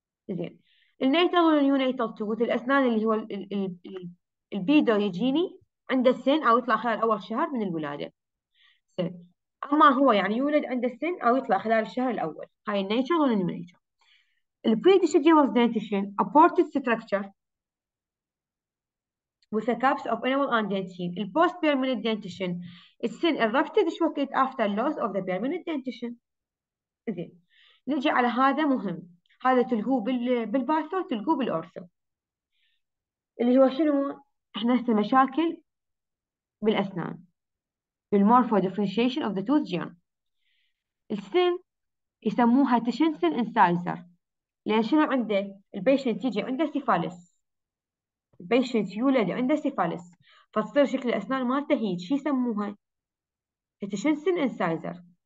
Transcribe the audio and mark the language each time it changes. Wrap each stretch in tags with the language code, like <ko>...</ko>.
<ar>زين، النيتال والنيونيتال توت، الأسنان اللي هو البيدو يجيني عند السن او يطلع خلال اول شهر من الولادة سن. اما هو يعني يولد عند السن او يطلع خلال الشهر الاول، هاي النيتال والنيونيتال. البري ديشيديوز دنتيشن ابورتد ستراكشر</ar> <en>with a caps of enamel and dentine. The post-permanent dentition is seen erupted shortly after loss of the permanent dentition.</en> <ar>زين، نجي على هذا مهم، هذا تلقوه بالباثو تلقوه بالأورثو، اللي هو شنو؟ احنا هسه مشاكل بالأسنان، بالمورفو ديفرنشيشن اوف ذا توث جيرن. السن يسموها تشنسن انسايزر، لان شنو عنده؟ البيشنت يجي عنده سيفاليس، بيشنت يولد عنده سيفالس، فتصير شكل الاسنان مالته هيج، شو يسموها؟ تشنسن انسايزر.</ar>